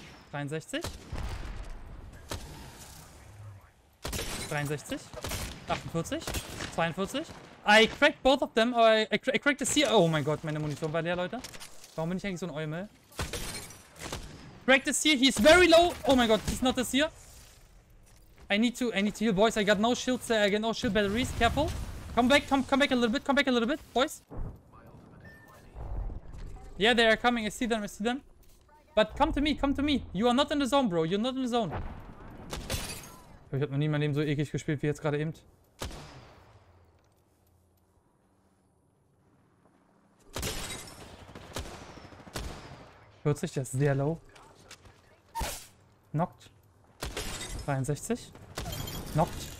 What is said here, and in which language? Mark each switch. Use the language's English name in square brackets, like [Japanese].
[English] 63. 63. 48, 42. I cracked both of them. I cracked the CO. [German] Oh mein Gott, meine Munition war leer, Leute. Warum bin ich eigentlich so ein Eumel? [English] Cracked the seal. He's very low. [German] Oh mein Gott, [English] he's not the seal. I need to heal, boys. I got no shields. I got no shield batteries. Careful. Come back a little bit. Come back a little bit, boys. Yeah, they are coming. I see them. But come to me. You are not in the zone, bro. You're not in the zone. [German] Ich hab noch nie mein Leben so eklig gespielt wie jetzt gerade eben. Hört sich das sehr low. Knocked. 63. Knocked.